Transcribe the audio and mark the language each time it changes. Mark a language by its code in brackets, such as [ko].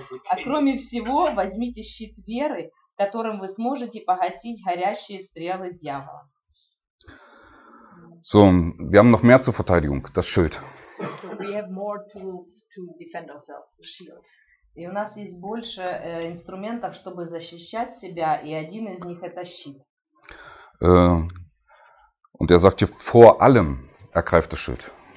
[ru] А кроме всего, возьмите щит веры, которым вы сможете погасить горящие стрелы дьявола. [de] So, wir haben noch mehr zur Verteidigung, das Schild. [en] So we have more tools to defend ourselves, the shield. [ru] И у нас есть больше инструментов, чтобы защищать себя, и один из них это щит. [de] Und er sagt hier, vor allem ergreift das Schild.